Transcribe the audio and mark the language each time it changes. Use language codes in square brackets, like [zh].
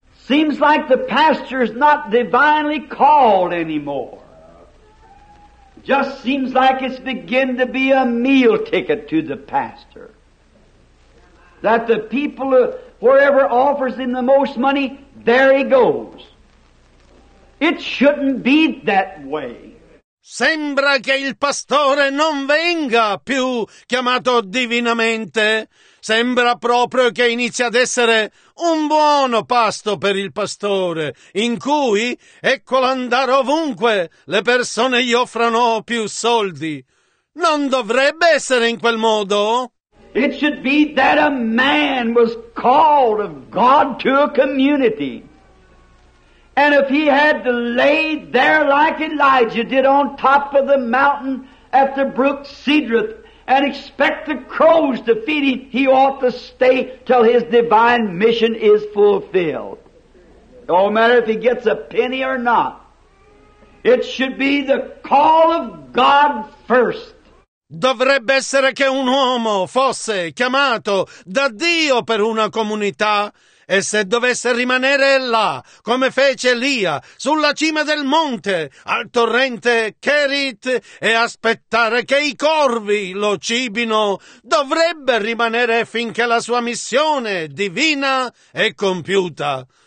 [en] Seems like the pastor's not divinely called anymore. Just seems like it's begin to be a meal ticket to the pastor. That the people, wherever offers him the most money, there he goes. It shouldn't be that way. [it] Sembra che il pastore non venga più chiamato divinamente. Sembra proprio che inizi ad essere un buono pasto per il pastore, in cui, eccolo andare ovunque, le persone gli offrano più soldi. Non dovrebbe essere in quel modo? [en] It should be that a man was called of God to a community. And if he had to lay there like Elijah did on top of the mountain at the brook Cedrath, and expect the crows to feed him, he ought to stay till his divine mission is fulfilled. No matter if he gets a penny or not. It should be the call of God first. [it] Dovrebbe essere che un uomo fosse chiamato da Dio per una comunità. E se dovesse rimanere là, come fece Elia, sulla cima del monte, al torrente Cherit, e aspettare che i corvi lo cibino, dovrebbe rimanere finché la sua missione divina è compiuta.